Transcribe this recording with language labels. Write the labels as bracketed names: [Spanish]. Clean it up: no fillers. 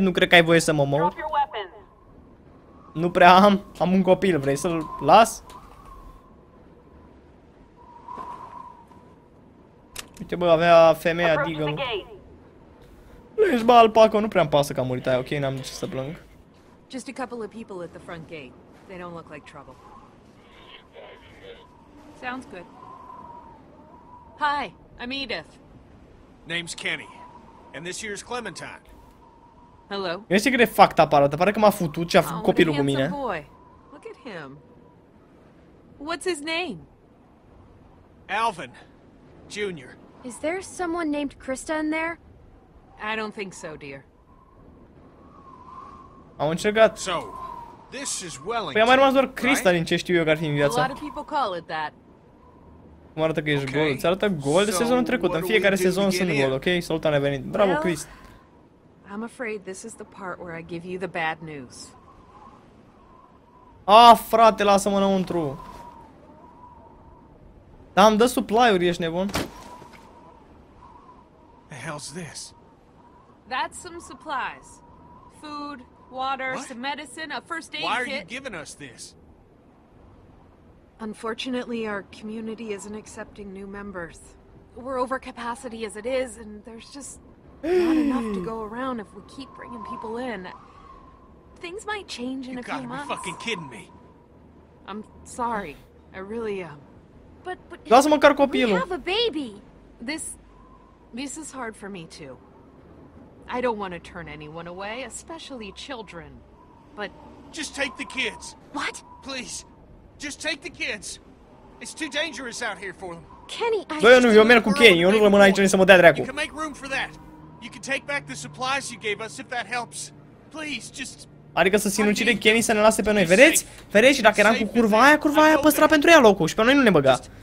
[Romanian] Nu cred că ai voie să mă mor. Nu prea am. Am un copil. Vrei să-l las? Uite, bă, avea femeia Deagle. Lăși, bă, alpaco, nu prea-mi pasă că a murit aia, ok? N-am ce să plâng. [English] Just a couple of people at the front gate. They don't look like trouble. Sounds good. Hi, I'm Edith. Name's Kenny. And this year's Clementine. Hello. [Romanian] Eu știu cât de [English] fucked up [Romanian] arată. Pare că m-a futut și a făcut copilul cu mine. [English] Boy. Look at him. What's his name? Alvin. Junior. Is there someone named Krista in there? I don't think so, dear. [Romanian] Am încercat. [English] So, this is Wellington. [Romanian] Păi a mai rămas doar Krista, din ce știu eu că ar fi în viața. [English] A lot of people call it that. [Romanian] Cum arată că ești gol? Ți arată gol de sezonul trecut. În fiecare sezon sunt gol, ok? Salut, ne-a venit. Bravo, Krist. [English] I'm afraid this is the part where I give you the bad news. [Romanian] Ah, frate, lasă-mă înăuntru. Da, îmi dă supply-uri, ești nebun. [English] hell's this? That's some supplies. Food, water, what? Some medicine, a first aid kit. Why are you giving us this? Unfortunately, our community isn't accepting new members. We're over capacity as it is, and there's just not enough to go around if we keep bringing people in. Things might change in a few months. You gotta be fucking kidding me. I'm sorry. I really am. But [Romanian] lasă măcar copilul. [English] We have a baby. This is hard for me too. I don't want to turn anyone away, especially children. But just take the kids. What? Please. Just take the kids. It's too dangerous out here for them. Kenny, [Romanian] eu merg cu Kenny. Eu nu rămân aici nici să mă dea dracu. [English] You can make room for that. You can take back the supplies you gave us if that helps. Please, just [Romanian] adică să sinucide Kenny să ne lase pe noi. Vedeți? Vedeți? Și dacă eram cu curva aia, curva aia păstra pentru ea locul și pe noi nu ne băga.